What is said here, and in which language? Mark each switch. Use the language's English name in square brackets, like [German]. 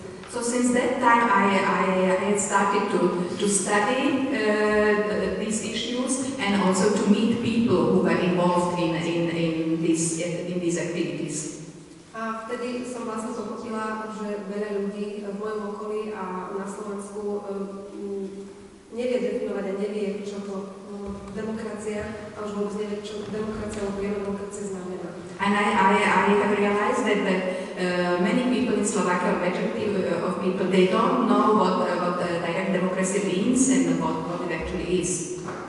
[English] So since that time I had started to study these issues and also to meet people who were involved in these activities. [Slovak] A vtedy som vlastne pochopila, že veľa ľudí v mojom okolí a na Slovensku nevie definovať a nevie, čo to demokracia a už vôbec nevie, čo demokracia alebo priama demokracia znamená. [English] And I have realized that many people in Slovakia, majority of people, they don't know what direct democracy means and what it actually is.